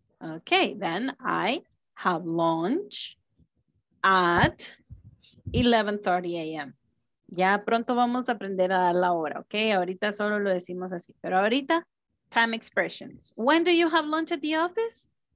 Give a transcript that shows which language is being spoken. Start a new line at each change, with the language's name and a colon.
English: Okay, then I have lunch at 11:30 a.m.
Spanish: Ya pronto vamos a aprender a dar la hora, okay? Ahorita solo lo decimos así, pero ahorita,
English: time expressions. When do you have lunch at the office?